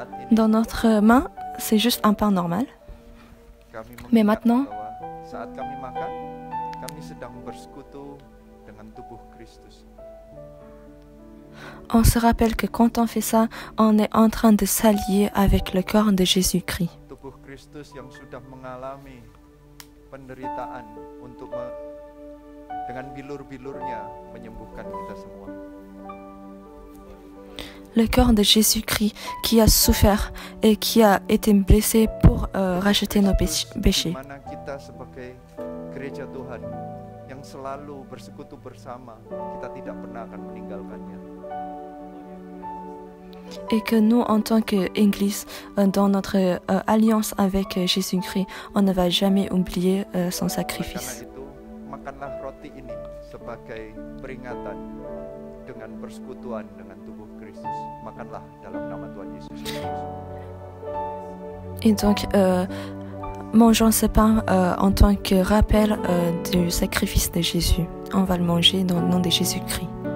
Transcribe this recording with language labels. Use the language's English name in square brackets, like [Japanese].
[French] Dans notre main, c'est juste un pain normal. Mais maintenant, [Indonesian] saat kami makan, kami sedang bersekutu dengan tubuh Kristus. [French] On se rappelle que quand on fait ça, on est en train de s'allier avec le corps de Jésus-Christ. [Indonesian] Tubuh Kristus yang sudah mengalami penderitaan untuk dengan bilur-bilurnya menyembuhkan kita semua. [French] Le corps de Jésus-Christ qui a souffert et qui a été blessé pour racheter nos péchés. [Indonesian] Dimana kita sebagai gereja Tuhan yang selalu bersekutu bersama, kita tidak pernah akan meninggalkannya. [French] Et que nous en tant que église dans notre alliance avec Jésus-Christ, on ne va jamais oublier son sacrifice. [Indonesian] Karena itu, makanlah roti ini sebagai peringatan dengan persekutuan dengan tubuh Kristus. Makanlah dalam nama Tuhan Yesus Kristus. [French] Et donc mangeons ce pain en tant que rappel du sacrifice de Jésus. On va le manger dans le nom de Jésus-Christ.